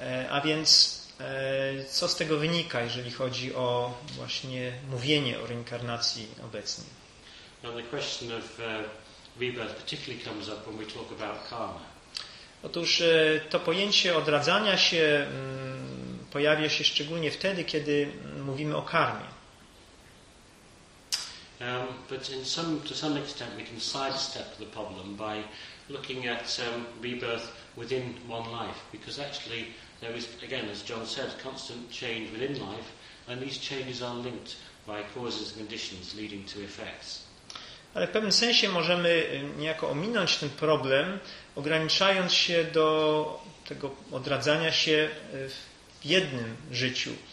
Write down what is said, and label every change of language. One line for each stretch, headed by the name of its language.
Polish: A więc co z tego wynika, jeżeli chodzi o właśnie mówienie o reinkarnacji obecnie?
English: Now the question of rebirth particularly comes up when we talk about karma.
Polish: Otóż to pojęcie odradzania się pojawia się szczególnie wtedy, kiedy mówimy o karmie.
English: But in some, to some extent we can sidestep the problem by looking at rebirth within one life, because actually there is, again, as John said, constant change within life, and these changes are linked by causes and conditions leading to effects.
Polish: Ale w pewnym sensie możemy niejako ominąć ten problem, ograniczając się do tego odradzania się w jednym życiu.